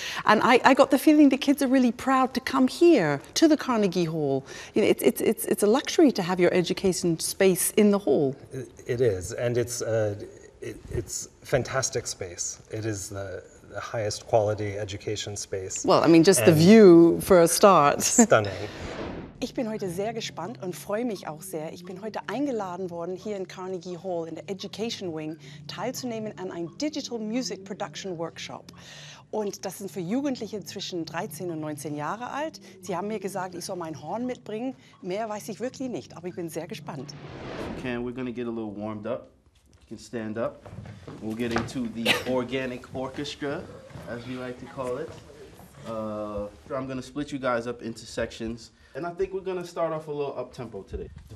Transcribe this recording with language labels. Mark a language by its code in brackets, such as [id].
[en] And I got the feeling the kids are really proud to come here to the Carnegie Hall. You know, it's a luxury to have your education space in the hall. It is, and it's fantastic space. It is the highest quality education space. Well, I mean, just the view for a start. Stunning. [de] Ich bin heute sehr gespannt und freue mich auch sehr. Ich bin heute eingeladen worden, hier in Carnegie Hall, in der Education Wing, teilzunehmen an einem Digital Music Production Workshop. Und das sind für Jugendliche zwischen 13 und 19 Jahre alt. Sie haben mir gesagt, ich soll mein Horn mitbringen. Mehr weiß ich wirklich nicht, aber ich bin sehr gespannt. [en] Okay, we're gonna get a little warmed up. You can stand up. We'll get into the organic orchestra, as we like to call it. I'm gonna split you guys up into sections. And I think we're gonna start off a little up-tempo today.